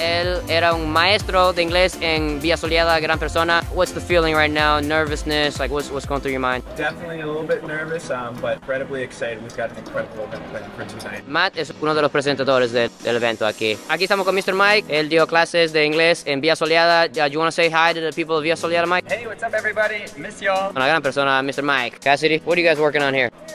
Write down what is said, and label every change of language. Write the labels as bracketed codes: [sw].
[es] Él era un maestro de inglés en Vía Soleada, gran persona. [en] What's the feeling right now? Nervousness? Like, what's going through your mind? Definitely a little bit nervous, but incredibly excited. We've got an incredible event for tonight. [es] Matt es uno de los presentadores del evento aquí. Aquí estamos con Mr. Mike. Él dio clases de inglés en Vía Soleada. [en] You want to say hi to the people of Vía Soleada, Mike? Hey, what's up, everybody? Miss y'all. [es] Una gran persona, Mr. Mike. [en] Cassidy, what are you guys working on here?